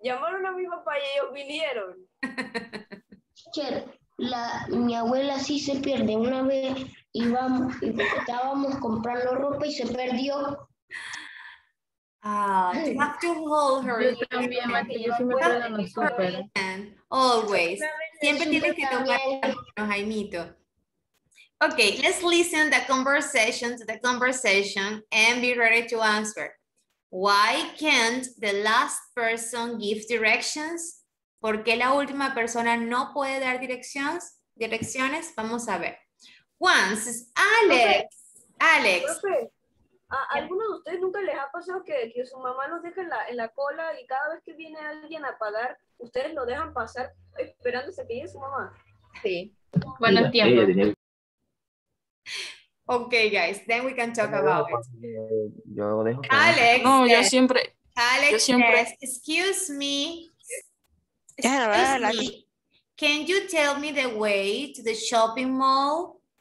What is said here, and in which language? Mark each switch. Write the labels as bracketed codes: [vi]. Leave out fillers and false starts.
[es] Llamaron a mi papá y ellos vinieron. Mi abuela sí se pierde. Una vez estábamos comprando ropa y se perdió. [en] You have to hold her. [es] Yo también, Mati, yo sí me acuerdo en los súper. [en] Always. [es] Siempre tienes que tomar la mano, Jaimito. [en] Okay, let's listen to the conversation and be ready to answer. Why can't the last person give directions? [es] ¿Por qué la última persona no puede dar direcciones? Vamos a ver. Once, Alex. Profe, Alex. Profe, ¿a alguno de ustedes nunca les ha pasado que su mamá los deja en la cola y cada vez que viene alguien a pagar, ustedes lo dejan pasar esperándose que llegue su mamá? Sí. Bueno, tiempo. [en] Okay, guys, then we can talk about it. [es] Yo dejo que... Alex. No, yo siempre. [en] Alex, [es] yo siempre... [en] Says, excuse me. Can you tell me the way to the shopping mall?